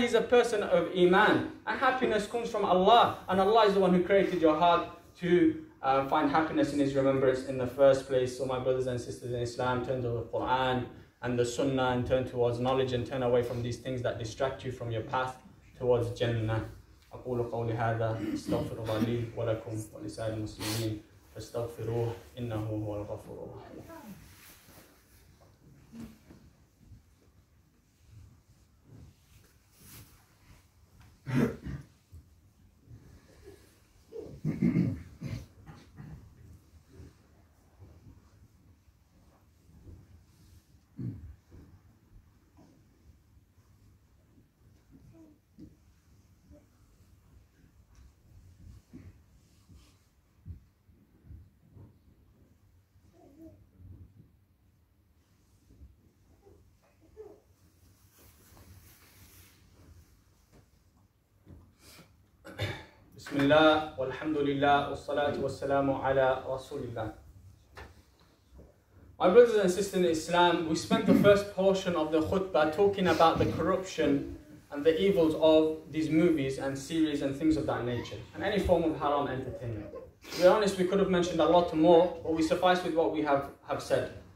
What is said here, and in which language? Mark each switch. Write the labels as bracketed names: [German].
[English] He's a person of Iman. And happiness comes from Allah. And Allah is the one who created your heart to find happiness in His remembrance in the first place. So my brothers and sisters in Islam, turn to the Quran and the Sunnah and turn towards knowledge and turn away from these things that distract you from your path towards Jannah. [Arabic] أقول قولي هذا استغفر الله لي ولكم ولسائر المسلمين فاستغفروه إنه هو الغفور الرحيم. بسم الله والحمد لله والصلاة والسلام على رسول الله. [English] My brothers and sisters in Islam, we spent the first portion of the khutbah talking about the corruption and the evils of these movies and series and things of that nature and any form of haram entertainment. To be honest, we could have mentioned a lot more, but we suffice with what we have said.